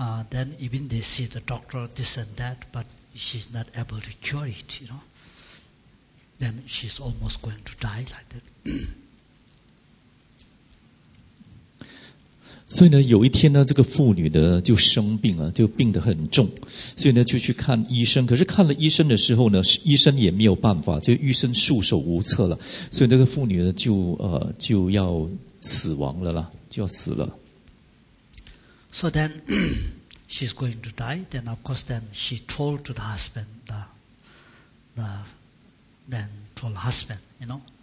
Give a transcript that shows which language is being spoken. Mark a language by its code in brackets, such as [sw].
[en] Then even they see the doctor, this and that, but she's not able to cure it, you know. Then she's almost going to die like that. [zh] 所以呢，有一天呢，这个妇女呢就生病了，就病得很重，所以呢就去看医生。可是看了医生的时候呢，医生也没有办法，就医生束手无策了。所以那个妇女呢就要死亡了啦，就要死了。 [en] So then. She's going to die. Then, of course, then she told to the husband, the husband, you know.